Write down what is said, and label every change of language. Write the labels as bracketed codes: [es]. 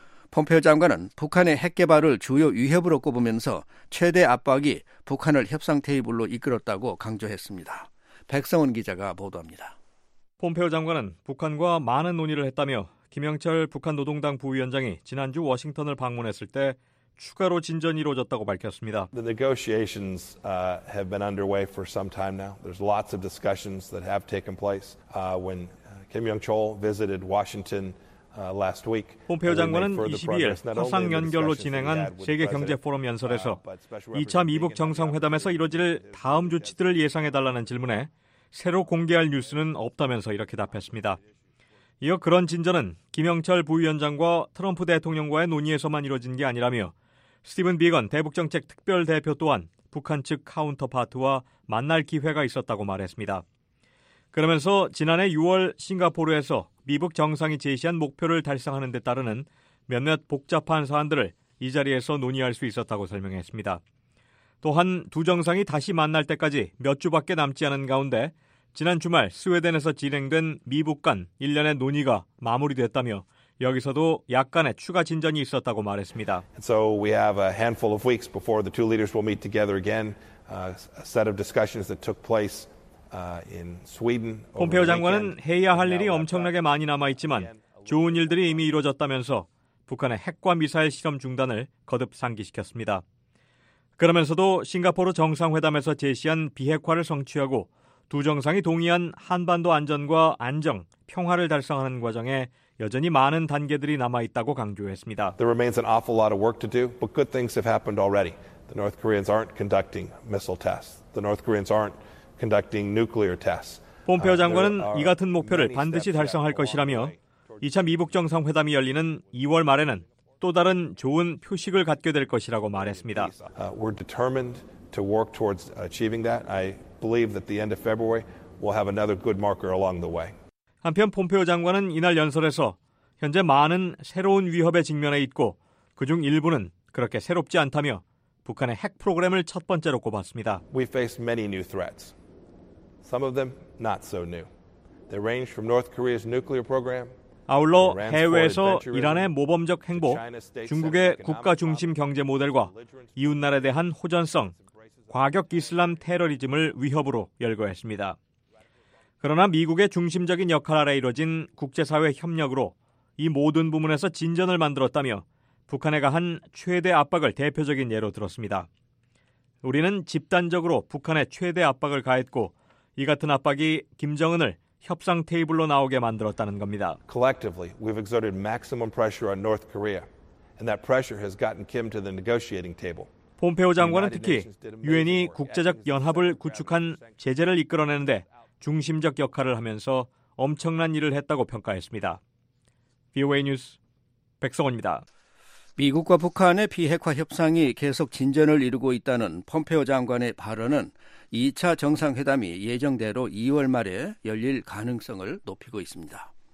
[ko] 폼페오 장관은 북한의 핵개발을 주요 위협으로 꼽으면서 최대 압박이 북한을 협상 테이블로 이끌었다고 강조했습니다. 백성원 기자가 보도합니다. 폼페오 장관은 북한과 많은 논의를 했다며 김영철 북한 노동당 부위원장이 지난주 워싱턴을 방문했을 때 추가로 진전이 이루어졌다고 밝혔습니다. [en] The negotiations have been underway for some time now. There's lots of discussions that have taken place. When Kim Young-chol visited Washington last week, [ko] 폼페오 장관은 22일 화상 연결로 진행한 세계 경제 포럼 연설에서 2차 미북 정상회담에서 이루어질 다음 조치들을 예상해 달라는 질문에 새로 공개할 뉴스는 없다면서 이렇게 답했습니다. 이어 그런 진전은 김영철 부위원장과 트럼프 대통령과의 논의에서만 이루어진 게 아니라며 스티븐 비건 대북정책특별대표 또한 북한 측 카운터파트와 만날 기회가 있었다고 말했습니다. 그러면서 지난해 6월 싱가포르에서 미북 정상이 제시한 목표를 달성하는 데 따르는 몇몇 복잡한 사안들을 이 자리에서 논의할 수 있었다고 설명했습니다. 또한 두 정상이 다시 만날 때까지 몇 주밖에 남지 않은 가운데 지난 주말 스웨덴에서 진행된 미북 간 일련의 논의가 마무리됐다며 여기서도 약간의 추가 진전이 있었다고 말했습니다. [en] So we have a handful of weeks before the two leaders will meet together again. A set of discussions that took place in Sweden. [ko] 폼페오 장관은 해야 할 일이 엄청나게 많이 남아 있지만 좋은 일들이 이미 이루어졌다면서 북한의 핵과 미사일 실험 중단을 거듭 상기시켰습니다. 그러면서도 싱가포르 정상회담에서 제시한 비핵화를 성취하고 두 정상이 동의한 한반도 안전과 안정, 평화를 달성하는 과정에 여전히 많은 단계들이 남아있다고 강조했습니다. [en] There remains an awful lot of work to do, but good things have happened already. The North Koreans aren't conducting missile tests. The North Koreans aren't conducting nuclear tests. [ko] 폼페오 장관은 이 같은 목표를 반드시 달성할 것이라며 2차 미북 정상회담이 열리는 2월 말에는 또 다른 좋은 표식을 갖게 될 것이라고 말했습니다. [en] We're determined to work towards achieving that. I believe that the end of February will have another good marker along the way. [ko] 한편 폼페오 장관은 이날 연설에서 현재 많은 새로운 위협에 직면해 있고 그중 일부는 그렇게 새롭지 않다며 북한의 핵 프로그램을 첫 번째로 꼽았습니다. [en] We face many new threats. Some of them not so new. They range from North Korea's nuclear program. [ko] 아울러 해외에서 이란의 모범적 행보, 중국의 국가 중심 경제 모델과 이웃나라에 대한 호전성, 과격 이슬람 테러리즘을 위협으로 열거했습니다. 그러나 미국의 중심적인 역할 아래 이뤄진 국제사회 협력으로 이 모든 부문에서 진전을 만들었다며 북한에 가한 최대 압박을 대표적인 예로 들었습니다. 우리는 집단적으로 북한에 최대 압박을 가했고 이 같은 압박이 김정은을 협상 테이블로 나오게 만들었다는 겁니다. [en] Collectively, we've exerted maximum pressure on North Korea, and that pressure has gotten Kim to the negotiating table. [ko] 폼페오 장관은 특히 유엔이 국제적 연합을 구축한 제재를 이끌어내는데 중심적 역할을 하면서 엄청난 일을 했다고 평가했습니다. VOA 뉴스 백성원입니다. 미국과 북한의 비핵화 협상이 계속 진전을 이루고 있다는 폼페오 장관의 발언은 2차 정상회담이 예정대로 2월 말에 열릴 가능성을 높이고 있습니다.